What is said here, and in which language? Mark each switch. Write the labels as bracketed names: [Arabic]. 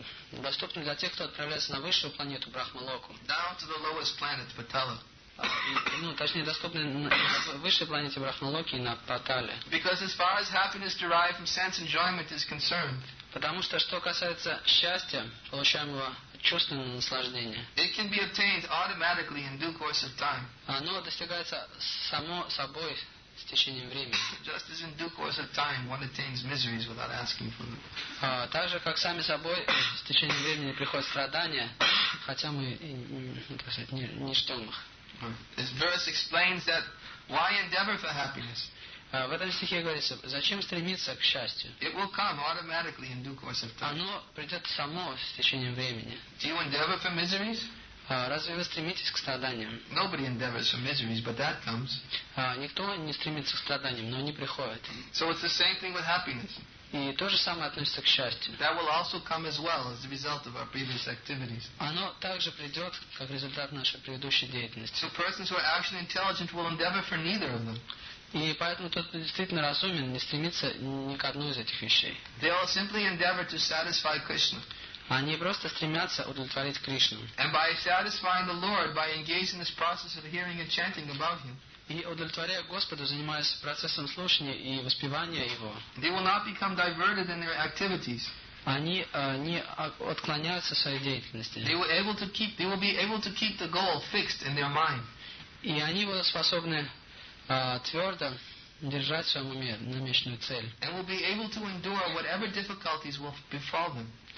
[Russian] Доступны для тех, кто отправляется на высшую планету Брахмалоку. [English] Down to the lowest planet, Patala. [Russian] Точнее, доступны на высшей планете Брахмалоки и на Патале. [English] Because as far as happiness derived from sense enjoyment is concerned. [Russian] Потому что что касается счастья, получаемого чувственного наслаждения. [English] It can be obtained automatically in due course of time. [Russian] Оно достигается само собой с течением времени. [English] Just as in due course of time one attains miseries without asking for them. [Russian] Так же, как сами собой с течением времени приходят страдания, хотя мы, так сказать, не ждем их. [English] This verse explains that why endeavor for happiness? [Russian] В этом стихе говорится, зачем стремиться к счастью? [English] It will come automatically in due course of time. [Russian] Оно придет само с течением времени. [English] Do you endeavor for miseries? [Russian] Разве вы стремитесь к страданиям? [English] Nobody endeavors for miseries, but that comes. [Russian] Никто не стремится к страданиям, но они приходят. [English] So it's the same thing with happiness. [Russian] И то же самое относится к счастью. [English] That will also come as well as the result of our previous activities. [Russian] Оно также придет как результат нашей предыдущей деятельности. [English] So persons who are actually intelligent will endeavor for neither of them. [Russian] И поэтому тот, кто действительно разумен, не стремится ни к одной из этих вещей. [English] They all simply endeavor to satisfy Krishna. [Russian] Они просто стремятся удовлетворить Кришну. [English] And by satisfying the Lord, by engaging this process of hearing and chanting about Him. [Russian] И удовлетворяя Господу, занимаясь процессом слушания и воспевания Его. [English] They will not become diverted in their activities. [Russian] Они не отклоняются в своей деятельности. [English] They will able to keep. They will be able to keep the goal fixed in their mind. [Russian] И они будут способны твердо держать в своем уме намеченную цель. [English] And will be able to endure whatever difficulties will befall them.